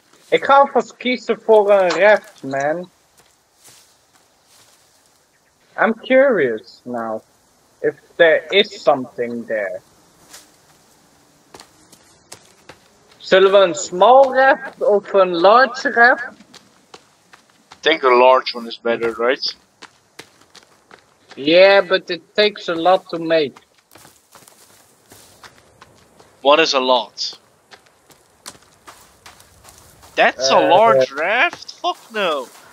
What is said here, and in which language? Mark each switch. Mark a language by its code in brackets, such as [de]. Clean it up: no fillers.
[nl] Ik ga vast kiezen voor een raft, man. [en] I'm curious now if there is something there. [nl] Zullen we een [en] small raft [nl] of een [en] large raft? I think a large one is better, right? Yeah, but it takes a lot to make. What is a lot? That's a large raft? Fuck no!